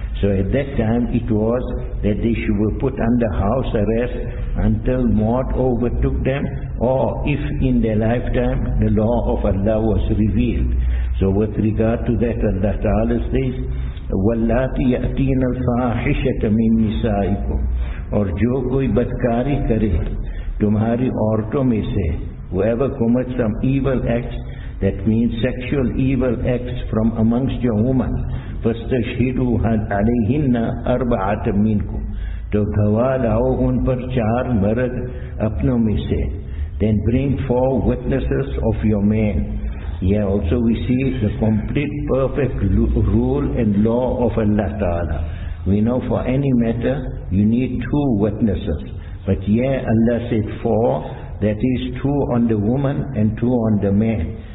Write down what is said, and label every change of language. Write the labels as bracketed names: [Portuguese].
[English] So at that time it was that they were put under house arrest until mort overtook them, or if in their lifetime the law of Allah was revealed. So with regard to that, Allah Ta'ala says, [Arabic] وَاللَّاتِ يَأْتِينَ الْفَاحِشَةَ مِنْ نِسَائِكُمْ. [Urdu] اور جو کوئی بدکاری کرے تمہاری عورتوں میں سے, [English] whoever commits some evil acts, that means sexual evil acts from amongst your women, [Arabic] فَاسْتَشْهِدُوا عَلَيْهِنَّ أَرْبَعَةً مِنْكُمْ, [Urdu] تو گواہ لاؤ ان پر چار مرد اپنوں میں سے. [English] Then bring four witnesses of your men. Yeah, also we see the complete perfect rule and law of Allah Ta'ala. We know for any matter you need two witnesses. But yeah, Allah said four, that is two on the woman and two on the man.